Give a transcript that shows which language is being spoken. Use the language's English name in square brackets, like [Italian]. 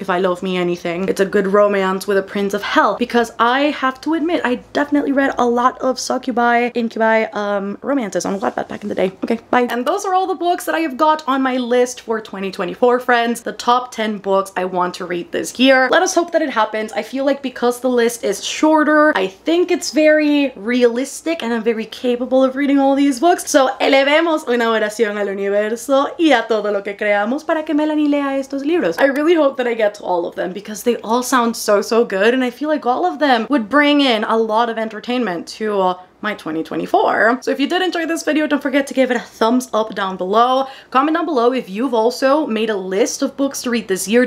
[English] If I love me anything, it's a good romance with a prince of hell, because I have to admit, I definitely read a lot of succubi, incubi, romances on Wattpad back in the day. Okay, bye. And those are all the books that I have got on my list for 2024, friends. The top 10 books I want to read this year. Let us hope that it happens. I feel like because the list is shorter, I think it's very realistic and I'm very capable of reading all these books. [Spanish] So elevemos una oración al universo y a todo lo que creamos para que Melanie lea estos libros. [English] I really hope that I get to all of them because they all sound so, so good. And I feel like all of them would bring in a lot of entertainment to my 2024. So if you did enjoy this video, don't forget to give it a thumbs up down below. Comment down below if you've also made a list of books to read this year.